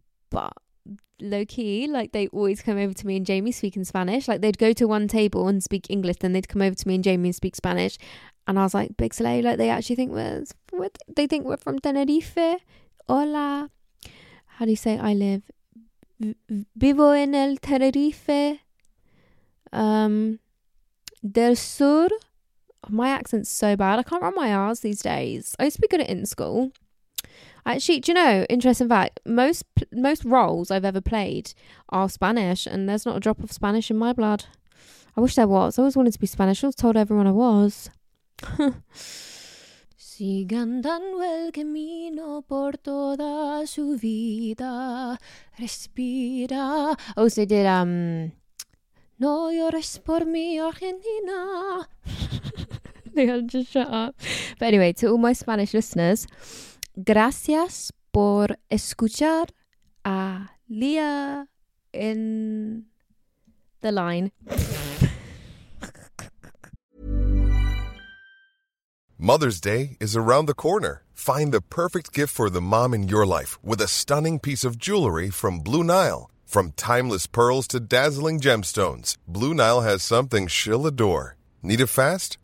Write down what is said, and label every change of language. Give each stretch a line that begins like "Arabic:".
English: But low-key, like, they always come over to me and Jamie speaking Spanish. Like, they'd go to one table and speak English, then they'd come over to me and Jamie and speak Spanish, and I was like, big slay, like, they actually think we're from Tenerife. Hola, how do you say I live?
Spanish: Vivo en el Tenerife del sur.
English: My accent's so bad, I can't run my R's these days. I used to be good at it in school. Actually, do you know, interesting fact, most roles I've ever played are Spanish and there's not a drop of Spanish in my blood. I wish there was. I always wanted to be Spanish. I always told everyone I was.
Spanish: Sigan dando el camino por toda su vida. Respira.
English: Oh, so they did,
Spanish: No llores por mi Argentina.
English: They had to just shut up. But anyway, to all my Spanish listeners...
Spanish: gracias por escuchar a Lía
English: in the line. Mother's Day is around the corner. Find the perfect gift for the mom in your life with a stunning piece of jewelry from Blue Nile. From timeless pearls to dazzling gemstones, Blue Nile has something she'll adore. Need it fast?